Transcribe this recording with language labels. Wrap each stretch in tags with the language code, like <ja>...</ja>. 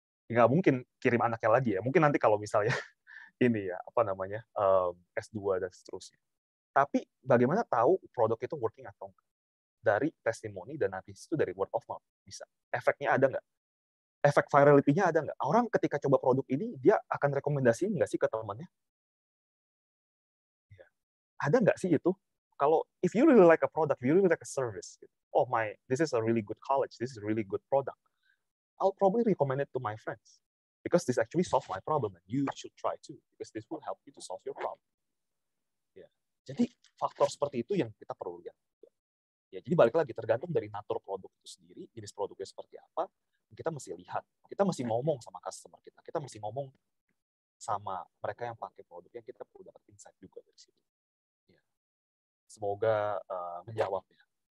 <id>Nggak mungkin kirim anaknya lagi ya. Mungkin nanti kalau misalnya ini ya, apa namanya, S2 dan seterusnya. Tapi bagaimana tahu produk itu working atau enggak? Dari testimoni dan nanti itu dari word of mouth. Bisa. Efeknya ada nggak? Efek virality-nya ada nggak? Orang ketika coba produk ini, dia akan rekomendasi nggak sih ke temannya? Ya. Ada nggak sih itu? Kalau</id> <en>if you really like a product, if you really like a service, oh my, this is a really good college, this is a really good product, I'll probably recommend it to my friends because this actually solve my problem and you should try too because this will help you to solve your problem.</en> <id>Ya. Jadi faktor seperti itu yang kita perlu lihat. Ya, jadi balik lagi tergantung dari natur produk itu sendiri, jenis produknya seperti apa, kita mesti lihat. Kita mesti ngomong sama customer kita. Kita mesti ngomong sama mereka yang pakai produknya, kita perlu dapat insight juga dari situ. Ya. Semoga menjawab ya.</id>